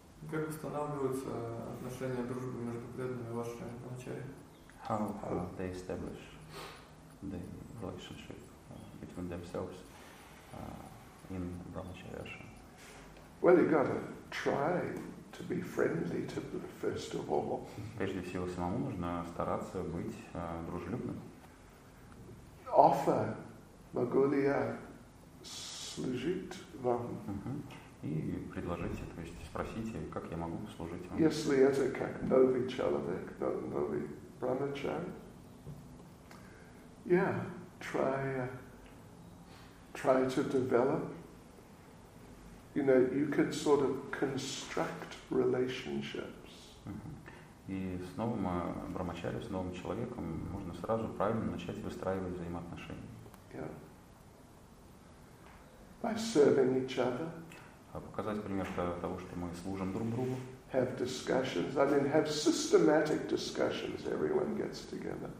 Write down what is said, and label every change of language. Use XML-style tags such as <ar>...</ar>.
<ru>Как устанавливаются отношения дружбы между преданными и вашими брамачари?</ru> <en>How they establish the relationship between themselves in brahmachari ashram? Well, you gotta try to be friendly to first of all.</en> <ru>Прежде всего самому нужно стараться быть дружелюбным. Offer, могу ли я служить вам? И предложите, то есть спросите, как я могу служить вам. Если это как новый человек, новый брамачари,</ru> <en>yeah, try to develop. You know, you could sort of construct relationships.</en> <ru>И с новым брамачари, с новым человеком можно сразу правильно начать выстраивать взаимоотношения.</ru> <en>Yeah. By serving each other.</en> <ru>Показать пример того, что мы служим друг другу.</ru> <en>Have discussions, I mean, have systematic discussions, everyone gets together.</en>